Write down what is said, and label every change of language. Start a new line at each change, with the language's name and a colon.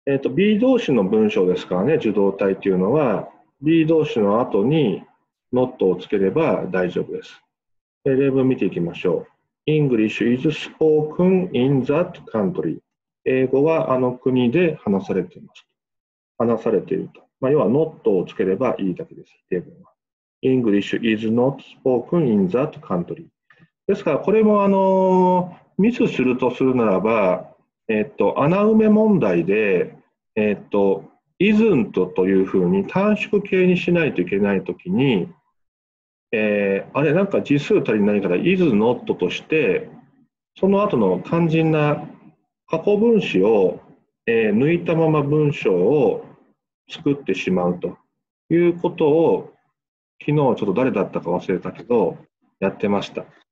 Japanese: B 動詞の文章ですからね、受動態というのは B 動詞の後に not をつければ大丈夫です。で例文見ていきましょう。
English: English is spoken in that country、
Japanese: 英語はあの国で話されています。話されていると、まあ、要は not をつければいいだけです。例文は
English: English is not spoken in that country。
Japanese: ですからこれもミスするとするならば、穴埋め問題で、isn't というふうに短縮形にしないといけないときに、あれなんか字数足りないから is not として、その後の肝心な過去分詞を、抜いたまま文章を作ってしまうということを昨日ちょっと誰だったか忘れたけどやってました。